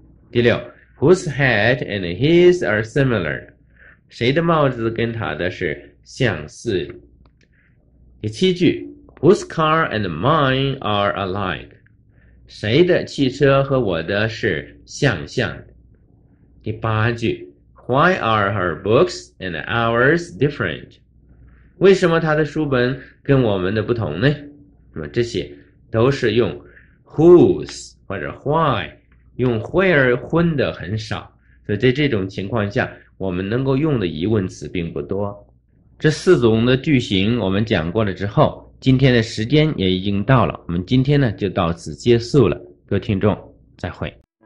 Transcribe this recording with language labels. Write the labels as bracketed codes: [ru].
[zh] 第六。 [en] Whose hat and his are similar? [zh] 谁的帽子跟他的是相似？第七句 [en] ，Whose car and mine are alike? [zh] 谁的汽车和我的是相像的？第八句 [en] ，Why are her books and ours different? [zh] 为什么他的书本跟我们的不同呢？那么这些都是用 whose 或者 why。用 where 混的很少，所以在这种情况下，我们能够用的疑问词并不多。这四种的句型我们讲过了之后，今天的时间也已经到了，我们今天呢就到此结束了。各位听众，再会。